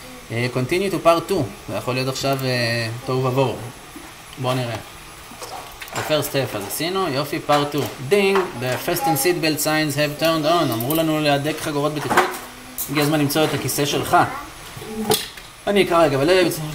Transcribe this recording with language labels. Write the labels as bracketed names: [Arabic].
[English] Continue to part 2, [Hebrew] זה יכול להיות עכשיו טוב עבור. בואו נראה. [English] The first step, [Hebrew] אז עשינו, יופי, [English] part 2. Ding, the fast and seat belt signs have turned on. [Hebrew] אמרו לנו להדק חגורות בטיחות. הגיע הזמן למצוא את הכיסא שלך. אני אקרא רגע, אבל...